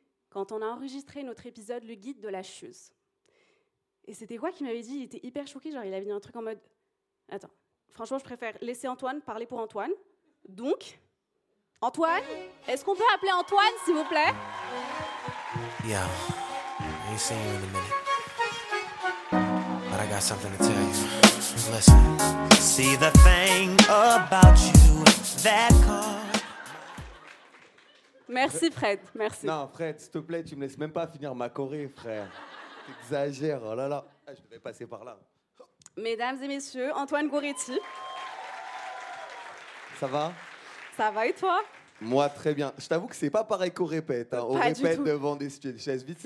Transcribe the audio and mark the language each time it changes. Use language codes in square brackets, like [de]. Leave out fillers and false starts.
[fr] Quand on a enregistré notre épisode « Le guide de la chieuse ». Et c'était quoi qu'il m'avait dit ? Il était hyper choqué, genre il avait dit un truc en mode... Attends, franchement, je préfère laisser Antoine parler pour Antoine. Donc, Antoine, est-ce qu'on peut appeler Antoine, s'il vous plaît ? [en] Yeah, I'll see you in a minute. But I got something to tell you. Listen. See the thing about you that caught... [fr] Merci Fred, merci. Non Fred, s'il te plaît, tu me laisses même pas finir ma chorée, frère. T'exagères, oh là là, je devais passer par là. Mesdames et messieurs, Antoine Gouretti. Ça va ? Ça va et toi ? Moi très bien. Je t'avoue que c'est pas pareil qu'au répète. Hein. Au répète devant des chaises vides, c'est